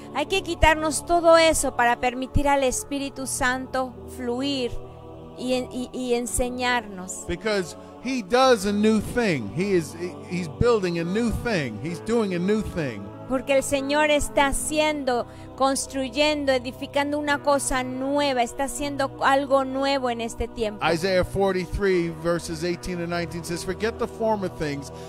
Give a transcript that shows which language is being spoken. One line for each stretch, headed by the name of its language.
Spanish: Hay que quitarnos todo eso para permitir al Espíritu Santo fluir y enseñarnos.
English: Because he does a new thing. He's building a new thing. He's doing a new thing.
Spanish: Porque el Señor está haciendo, construyendo, edificando una cosa nueva, está haciendo algo nuevo en este tiempo.
English: Isaiah 43, verses 18 and 19 says, "Forget the former things.